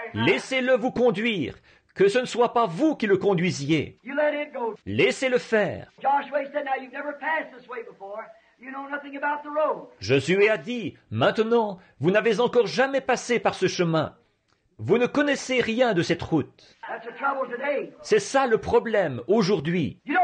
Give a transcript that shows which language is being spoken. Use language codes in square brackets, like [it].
[fr] Laissez-le vous conduire. Que ce ne soit pas vous qui le conduisiez. [en] You let it go. [fr] Laissez-le faire. [en] Joshua said, now you've never passed this way before. You know nothing about the road. [fr] Josué a dit, maintenant, vous n'avez encore jamais passé par ce chemin. Vous ne connaissez rien de cette route. C'est ça le problème aujourd'hui.